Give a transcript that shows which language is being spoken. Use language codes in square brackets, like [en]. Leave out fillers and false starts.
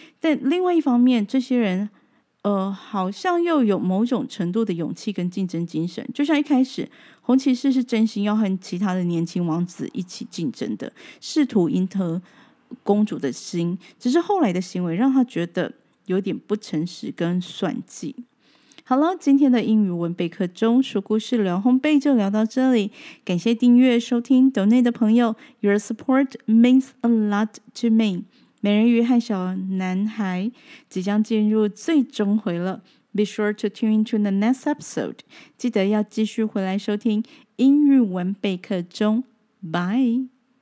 [zh] 但另外一方面，这些人好像又有某种程度的勇气跟竞争精神，就像一开始红骑士是真心要和其他的年轻王子一起竞争的，试图赢得公主的心，只是后来的行为让他觉得有点不诚实跟算计。好了，今天的英语文备课中说故事聊烘焙就聊到这里，感谢订阅收听 Donate 的朋友， [en] Your support means a lot to me。 [zh] 美人鱼和小男孩即将进入最终回了。 [en] Be sure to tune into the next episode. [zh] 记得要继续回来收听英语文备课中。Bye!